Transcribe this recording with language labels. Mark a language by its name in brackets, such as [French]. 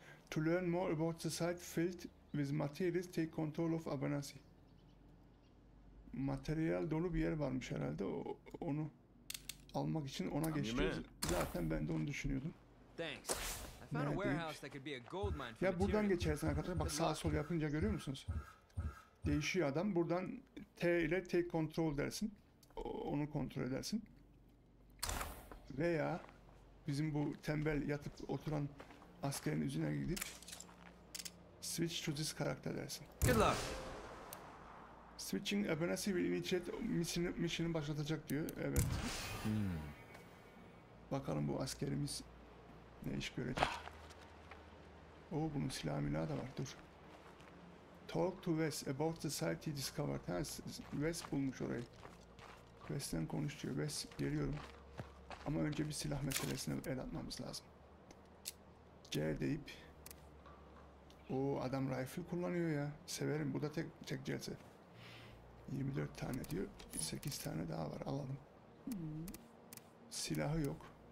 [English] To learn more about the site filled with materials, take control of Abernathy. [Turkish] Materyal dolu bir yer varmış herhalde. Onu almak için ona geçiyoruz. Zaten ben de onu düşünüyordum. [English] Thanks. I found a warehouse that could be a gold mine. [Turkish] Ya buradan geçersen arkadaşlar, bak sağ sol yapınca görüyor musunuz? Değişiyor adam. Buradan T ile [English] take control [Turkish] dersin. Onu kontrol edersin. Veya bizim bu tembel yatıp oturan askerin yüzüne gidip [English] switch to this [Turkish] karakter dersin. [English] Good luck. Switching Abernathy will initiate [Turkish] mission'ı başlatacak diyor. Evet. Bakalım bu askerimiz ne iş görecek. Oo, bunun silahı mila da var. Dur. [English] Talk to Wes about the site he discovered. [Turkish] Ha, Wes bulmuş orayı. Wes'ten konuş diyor. Wes, geliyorum. Ama önce bir silah meselesine el atmamız lazım. C deyip. Oo, adam rifle kullanıyor ya. Severim. Bu da tek celse. 24 tane diyor. 8 tane daha var. Alalım. Silahı yok.